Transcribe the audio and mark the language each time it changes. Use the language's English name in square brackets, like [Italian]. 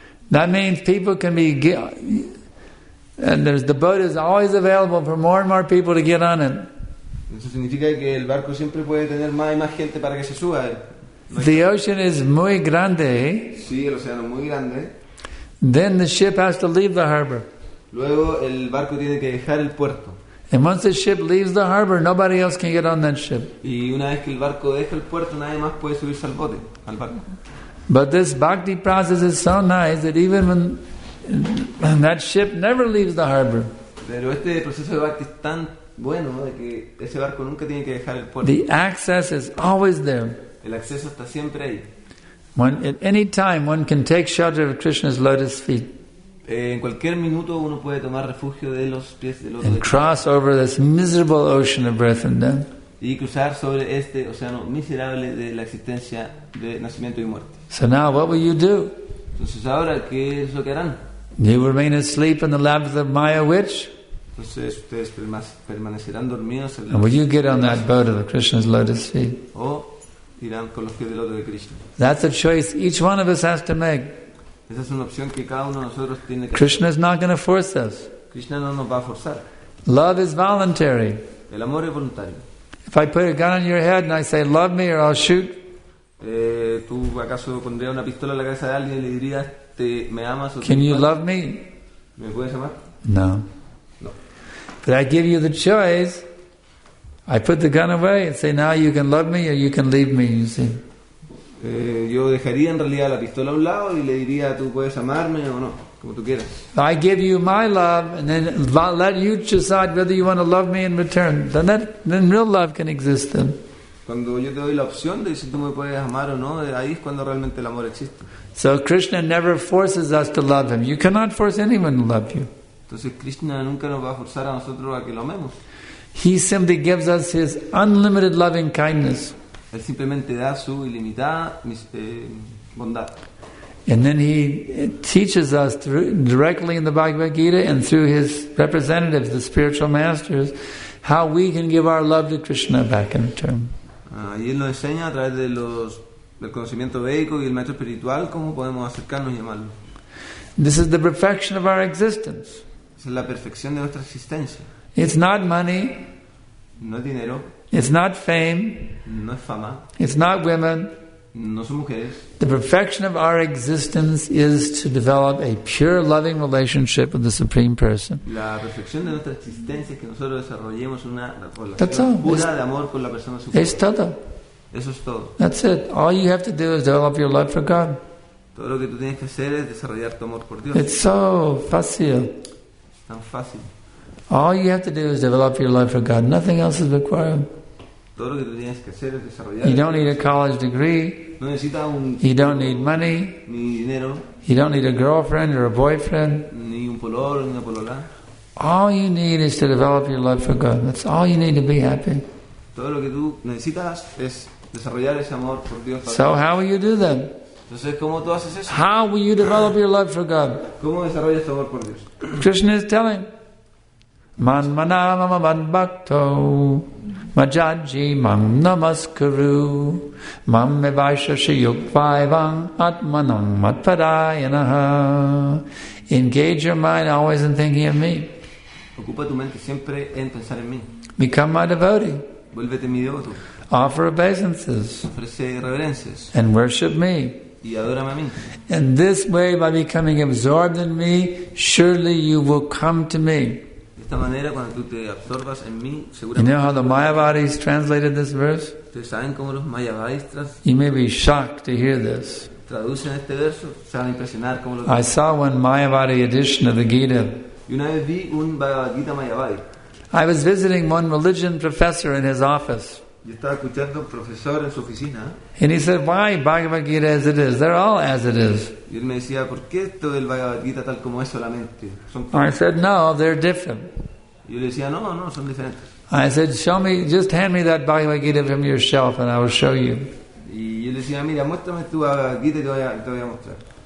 [English] That means people can be, and there's, the boat is always available for more and more people to get on it. [Spanish] Eso significa que el barco siempre puede tener más y más gente para que se suba. [English] The ocean is [Spanish] muy grande. Sí, el océano es muy grande. [English] Then the ship has to leave the harbor. [Spanish] Luego el barco tiene que dejar el puerto. [English] And once the ship leaves the harbor, nobody else can get on that ship. [Spanish] Y una vez que el barco deja el puerto, nadie más puede subirse al bote, al barco. [English] But this bhakti process is so nice that even when that ship never leaves the harbor. [Spanish] Pero este proceso de bhakti es tan bueno de que ese barco nunca tiene que dejar el puerto. [English] The access is always there. [Spanish] El acceso está siempre ahí. [English] When, at any time one can take shelter of Krishna's lotus feet. [Spanish] En cualquier minuto uno puede tomar refugio de los pies del otro. [English] And cross over this miserable ocean of birth and death. [Spanish] Y cruzar sobre este océano miserable de la existencia de nacimiento y muerte. [English] So now what will you do? [Spanish] Entonces ahora qué es lo que harán? [English] You remain asleep in the lap of the Maya witch. [Spanish] Entonces ustedes permanecerán dormidos. [English] And will you get on that boat of Krishna's lotus feet? [Spanish] O irán con los pies del otro de Krishna. [English] That's a choice each one of us has to make. [Spanish] Esa es una opción que cada uno de nosotros tiene que. [English] Krishna is not going to force us. [Spanish] Krishna no nos va a forzar. [English] Love is voluntary. [Spanish] El amor es voluntario. [English] If I put a gun on your head and I say love me or I'll shoot. [Spanish] ¿Tú acaso pondrías una pistola en la cabeza de alguien y le dirías te me amas o [English] can you love me? [Spanish] ¿Me puedes amar? [English] No. But I give you the choice. I put the gun away and say, now you can love me or you can leave me, you see. [Spanish] Yo dejaría en realidad la pistola a un lado y le diría, tú puedes amarme o no, como tú quieras. [English] I give you my love and then let you decide whether you want to love me in return. Then that, then real love can exist then. [Spanish] Cuando yo te doy la opción de si tú me puedes amar o no, ahí es cuando realmente el amor existe. [English] So Krishna never forces us to love him. You cannot force anyone to love you. [Spanish] Entonces Krishna nunca nos va a forzar a nosotros a que lo amemos. [English] He simply gives us his unlimited loving kindness. [Spanish] Él simplemente da su ilimitada bondad. [English] And then he teaches us through, directly in the Bhagavad Gita and through his representatives, the spiritual masters, how we can give our love to Krishna back in return. [Spanish] Y él nos enseña a través de los del conocimiento védico y el maestro espiritual cómo podemos acercarnos y amarlo. [English] This is the perfection of our existence. [Spanish] Es la perfección de nuestra existencia. [English] It's not money. [Spanish] No es dinero. [English] It's not fame. [Spanish] No es fama. [English] It's not women. [Spanish] No son mujeres. [English] The perfection of our existence is to develop a pure loving relationship with the Supreme Person. [Spanish] La perfección de nuestra existencia es que nosotros desarrollemos una relación pura de amor con la persona suprema. Es todo. Eso es todo. [English] That's it. All you have to do is develop your love for God. [Spanish] Todo lo que tú tienes que hacer es desarrollar tu amor por Dios. [English] It's so [Spanish] fácil. Es tan fácil. [English] All you have to do is develop your love for God. Nothing else is required. [Spanish] Todo lo que tú tienes que hacer es desarrollar. [English] You don't need a college degree. [Spanish] No necesita un. [English] You don't need money. [Spanish] Ni dinero. [English] You don't need a girlfriend or a boyfriend. [Spanish] Ni un pololo ni una polola. [English] All you need is to develop your love for God. That's all you need to be happy. [Spanish] Todo lo que tú necesitas es desarrollar ese amor por Dios. [English] So how will you do that? [Spanish] Entonces, ¿cómo tú haces eso? [English] How will you develop your love for God? [Spanish] ¿Cómo desarrollas tu amor por Dios? [English] Krishna is telling. [Sanskrit] Man mana mama man bhakto majaji mam namaskuru mam me vaishashi yukvaivam atmanam matparayanah. [English] Engage your mind always in thinking of me. [Spanish] Ocupa tu mente siempre en pensar en mí. [English] Become my devotee. [Spanish] Vuélvete mi devoto. [English] Offer obeisances. [Spanish] Ofrece reverencias. [English] And worship me. [Spanish] Y adórame a mí. [English] In this way, by becoming absorbed in me, surely you will come to me. [Spanish] De esta manera, cuando tú te absorbas en mí, seguramente. [English] You know how the Mayavadis translated this verse? [Spanish] ¿Ustedes saben cómo los Mayavadis [English] You may be shocked to hear this. [Spanish] Traducen este verso, se van a impresionar cómo lo. [English] I saw one Mayavadi edition of the Gita. [Spanish] Yo una vez vi un Bhagavad Gita Mayavadi. [English] I was visiting one religion professor in his office. [Spanish] Yo estaba escuchando un profesor en su oficina. [English] And he said, "Why Bhagavad Gita as it is? They're all as it is." [Spanish] Y él me decía, ¿por qué esto del Bhagavad Gita tal como es solamente? [English] I said, "No, they're different." [Spanish] Yo le decía, no, son diferentes. [English] I said, "Show me, just hand me that Bhagavad Gita from your shelf, and I will show you." [Spanish] Y yo le decía, mira, muéstrame tu Bhagavad Gita y te voy a mostrar.